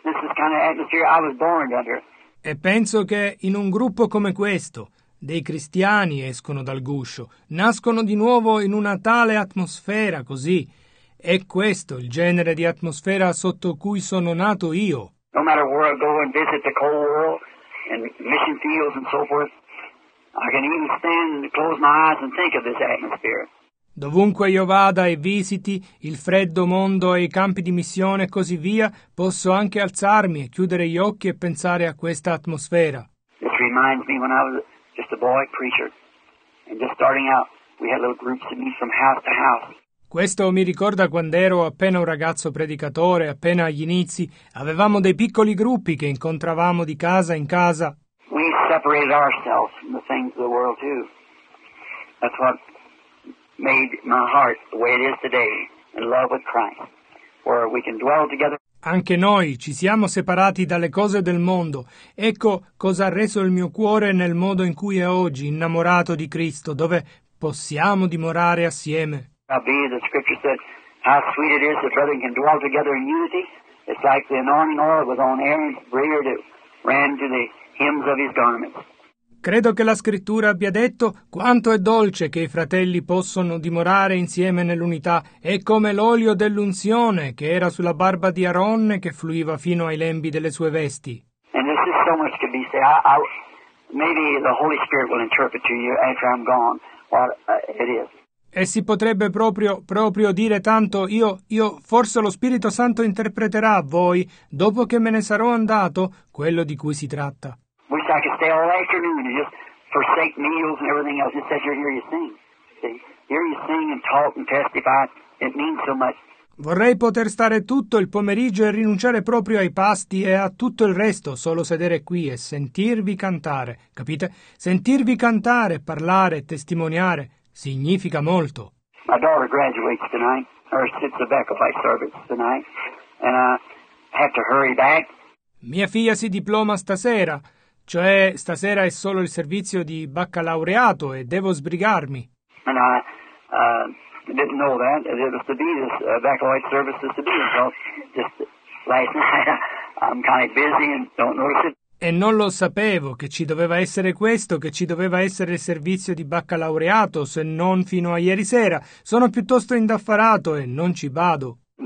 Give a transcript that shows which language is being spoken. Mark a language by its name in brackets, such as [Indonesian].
[English] This is the kind of atmosphere I was born under. [Italian] E penso che in un gruppo come questo, dei cristiani escono dal guscio, nascono di nuovo in una tale atmosfera così. È questo il genere di atmosfera sotto cui sono nato io. [English] No matter where I go and visit the cold world and mission fields and so forth, I can even stand and close my eyes and think of this atmosphere. [Italian] Dovunque io vada e visiti il freddo mondo e i campi di missione e così via, posso anche alzarmi e chiudere gli occhi e pensare a questa atmosfera. [English] This reminds me when I was just a boy preacher and just starting out, we had little groups to meet from house to house. [Italian] Questo mi ricorda quando ero appena un ragazzo predicatore, appena agli inizi. Avevamo dei piccoli gruppi che incontravamo di casa in casa. [English] We separated ourselves from the things of the world too. That's what made my heart the way it is today, in love with Christ, where we can dwell together. [Italian] Anche noi ci siamo separati dalle cose del mondo. Ecco cosa ha reso il mio cuore nel modo in cui è oggi, innamorato di Cristo, dove possiamo dimorare assieme. [English] The scripture said, how sweet it is that brethren can dwell together in unity. It's like the anointing oil was on Aaron's beard that ran to the hems of his garments. [Italian] Credo che la scrittura abbia detto quanto è dolce che i fratelli possono dimorare insieme nell'unità. È come l'olio dell'unzione che era sulla barba di Aronne che fluiva fino ai lembi delle sue vesti. [English] And this is so much to be said. Maybe the Holy Spirit will interpret to you after I'm gone what it is. [Italian] E si potrebbe proprio dire tanto, io forse lo Spirito Santo interpreterà a voi, dopo che me ne sarò andato, quello di cui si tratta. [English] Wish I could stay all afternoon and just forsake meals and everything else. It says you're here, you sing. See? Here you sing and talk and testify. It means so much. [Italian] Vorrei poter stare tutto il pomeriggio e rinunciare proprio ai pasti e a tutto il resto, solo sedere qui e sentirvi cantare, capite? Sentirvi cantare, parlare, testimoniare. Significa molto. [English] My daughter graduates tonight, or sits the back of my service tonight, and I have to hurry back. [Italian] Mia figlia si diploma stasera, cioè stasera è solo il servizio di baccalaureato e devo sbrigarmi. [English] And I didn't know that it was to be this baccalaureate service was to be, so just last night I'm kind of busy and don't notice it. [Italian] E non lo sapevo che ci doveva essere questo, che ci doveva essere il servizio di baccalaureato, se non fino a ieri sera. Sono piuttosto indaffarato e non ci vado.